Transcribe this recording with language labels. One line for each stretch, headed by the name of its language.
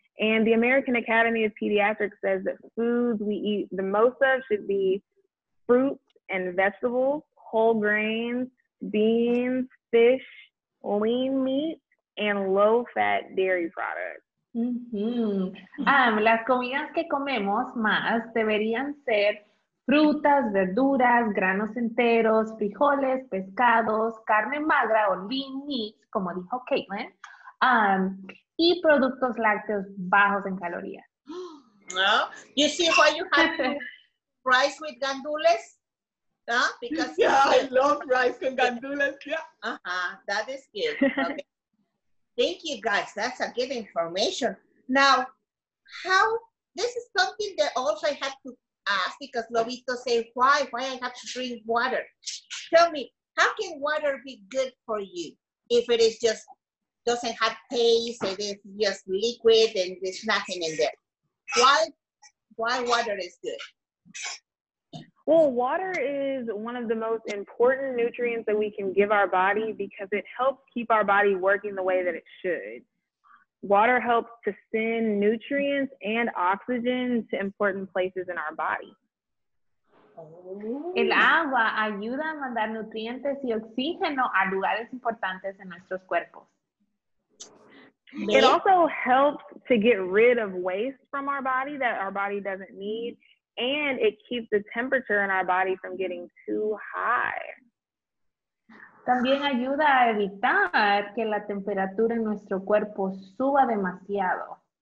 English: And the American Academy of Pediatrics says that foods we eat the most of should be fruits and vegetables, whole grains, beans, fish, lean meat, and low-fat dairy products. Mm-hmm.
Spanish: Las comidas que comemos más deberían ser frutas, verduras, granos enteros, frijoles, pescados, carne magra o
English: lean meats,
Spanish: como dijo Caitlin, y productos lácteos bajos en calorías.
English: Well, you see why you have rice with gandules? Huh? Because yeah, I love rice with gandules, yeah. Uh-huh, that is good. Okay. Thank you, guys. That's a good information. Now, this is something that also I have to ask, because Lobito say why I have to drink water. Tell me, how can water be good for you if it is just doesn't have taste, it is just liquid and there's nothing in there? Why water is good? Well, water is one of the most important nutrients that we can give our body because it helps keep our body working the way that it should. Water helps to send nutrients and oxygen to important places in our body.
Spanish: Oh. El agua ayuda a mandar nutrientes y oxígeno a lugares importantes en nuestros cuerpos.
English: It also helps to get rid of waste from our body that our body doesn't need, and it keeps the temperature in our body from getting too high.
Spanish: También ayuda a evitar que la temperatura en nuestro cuerpo suba demasiado.